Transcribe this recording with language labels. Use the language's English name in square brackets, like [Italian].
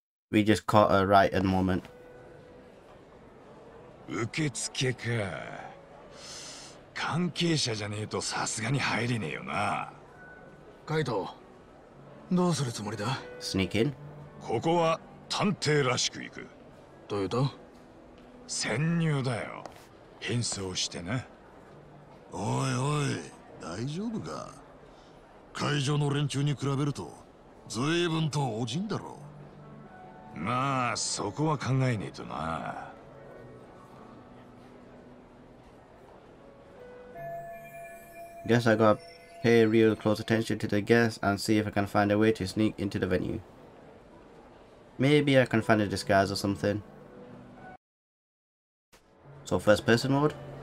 [English] We just caught her right at the moment. [Japanese] 受付か。関係者じゃねえとさすがに入れねえよな。カイト、どうするつもりだ？ [English] Sneak in? [Japanese] ここは探偵らしく行く。どういうと？潜入だよ。変装してな。おいおい、大丈夫か？会場の連中に比べると、随分とおじんだろ。まあそこは考えねえとな。 [English] Guess I gotta pay real close attention to the guests and see if I can find a way to sneak into the venue. Maybe I can find a disguise or something. So first person mode?